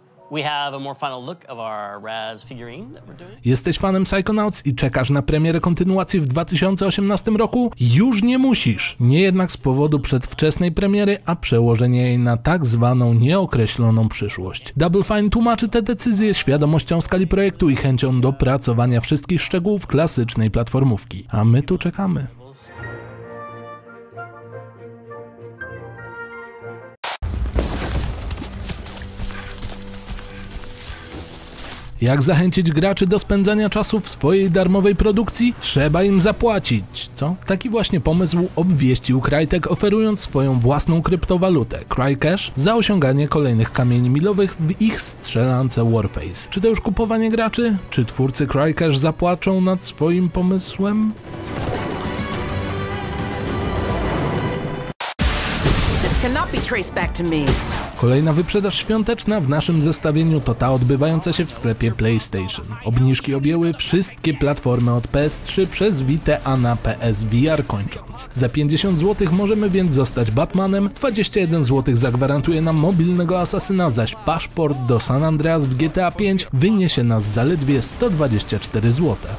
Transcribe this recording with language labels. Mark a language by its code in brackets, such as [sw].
[en] We have a more final look of our Raz figurine that we're doing. [pl] Jesteś fanem Psychonauts i czekasz na premierę kontynuacji w 2018 roku? Już nie musisz! Nie jednak z powodu przedwczesnej premiery, a przełożenie jej na tak zwaną nieokreśloną przyszłość. Double Fine tłumaczy tę decyzję świadomością skali projektu i chęcią dopracowania wszystkich szczegółów klasycznej platformówki. A my tu czekamy. Jak zachęcić graczy do spędzania czasu w swojej darmowej produkcji? Trzeba im zapłacić, co? Taki właśnie pomysł obwieścił Crytek, oferując swoją własną kryptowalutę, Crycash, za osiąganie kolejnych kamieni milowych w ich strzelance Warface. Czy to już kupowanie graczy? Czy twórcy Crycash zapłaczą nad swoim pomysłem? [en] This cannot be traced back to me. [pl] Kolejna wyprzedaż świąteczna w naszym zestawieniu to ta odbywająca się w sklepie PlayStation. Obniżki objęły wszystkie platformy od PS3 przez Vita, a na PSVR kończąc. Za 50 zł możemy więc zostać Batmanem, 21 zł zagwarantuje nam mobilnego asasyna, zaś paszport do San Andreas w GTA 5 wyniesie nas zaledwie 124 zł.